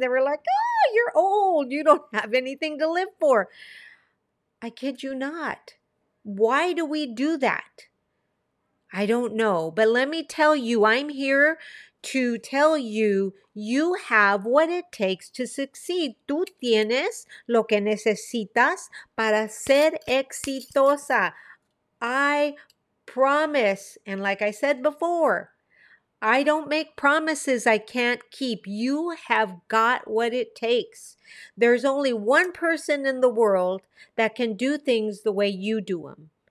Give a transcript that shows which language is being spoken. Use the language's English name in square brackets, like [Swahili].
[English] They were like, you're old. You don't have anything to live for. I kid you not. Why do we do that? I don't know. But let me tell you, I'm here to tell you, you have what it takes to succeed. [Spanish] Tú tienes lo que necesitas para ser exitosa. [English] I promise. And like I said before, I don't make promises I can't keep. You have got what it takes. There's only one person in the world that can do things the way you do them.